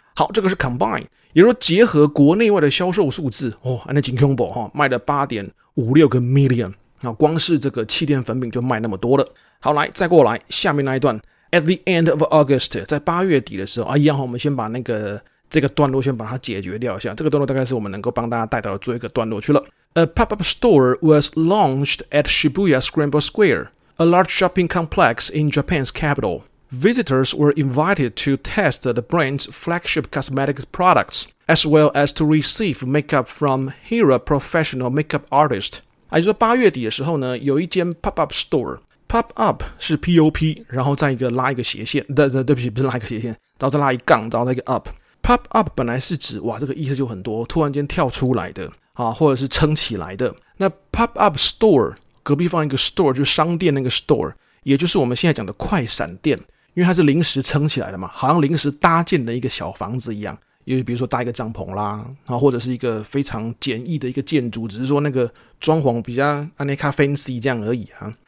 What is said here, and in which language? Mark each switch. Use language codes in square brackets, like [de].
[zh] 好，这个是 combine， 也就是说结合国内外的销售数字，哦，那真恐怖，卖了 8.56 个 million， 光是这个气垫粉饼就卖那么多了。好，来再过来下面那一段， [en] at the end of August， [zh] 在8月底的时候啊，一样，我们先把那个这个段落先把它解决掉一下，这个段落大概是我们能够帮大家带到的最后一个段落去了。 [en] A pop-up store was launched at Shibuya Scramble Square, a large shopping complex in Japan's capital. Visitors were invited to test the brand's flagship cosmetic products, as well as to receive makeup from Hira professional makeup artist. [zh] 也就是说8月底的时候呢，有一间 pop-up store。Pop up 是 P-O-P， 然后再一个拉一个斜线，对不起，不是拉一个斜线，然后再拉一杠，然后再一个 up。 Pop up 本来是指哇，这个意思就很多，突然间跳出来的啊，或者是撑起来的。那 pop up store 隔壁放一个 store， 就是商店那个 store， 也就是我们现在讲的快闪店，因为它是临时撑起来的嘛，好像临时搭建的一个小房子一样，也就比如说搭一个帐篷啦，啊，或者是一个非常简易的一个建筑，只是说那个装潢比较安尼卡 fancy 这样而已啊。